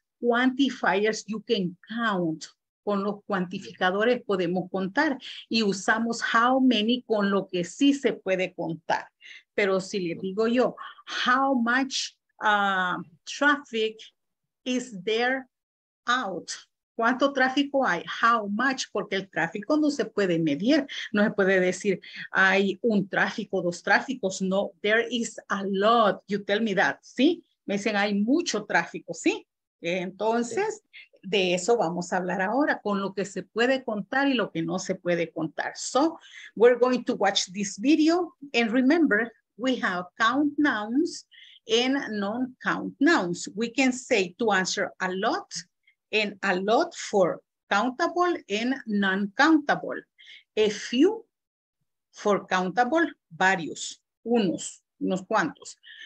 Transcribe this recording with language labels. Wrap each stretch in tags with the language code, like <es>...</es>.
<en>Quantifiers, you can count.</en> <es>Con los cuantificadores podemos contar y usamos</es> <en>how many</en> <es>con lo que sí se puede contar. Pero si le digo yo,</es> <en>how much traffic is there out?</en> <es>¿Cuánto tráfico hay?</es> <en>How much?</en> <es>Porque el tráfico no se puede medir. No se puede decir hay un tráfico, dos tráficos.</es> <en>No, there is a lot. You tell me that, ¿sí?</en> <es>Me dicen hay mucho tráfico, ¿sí? Entonces, de eso vamos a hablar ahora, con lo que se puede contar y lo que no se puede contar.</es> <en>So, we're going to watch this video. And remember, we have count nouns and non-count nouns. We can say to answer a lot for countable and non-countable. A few for countable,</en> <es>varios, unos, unos cuantos.</es>